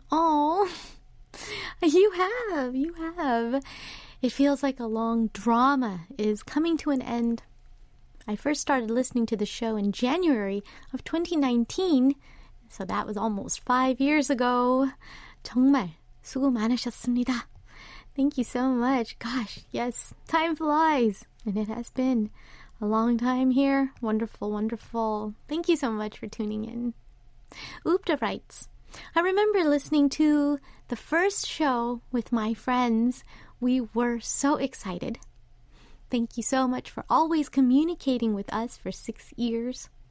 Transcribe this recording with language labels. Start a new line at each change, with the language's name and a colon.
English: Oh, you have. It feels like a long drama is coming to an end. I first started listening to the show in January of 2019, so that was almost 5 years ago.
Korean: 정말 수고 많으셨습니다.
English: Thank you so much. Gosh, yes, time flies. And it has been a long time here. Wonderful, wonderful. Thank you so much for tuning in. Oopta writes, I remember listening to the first show with my friends. We were so excited. Thank you so much for always communicating with us for 6 years.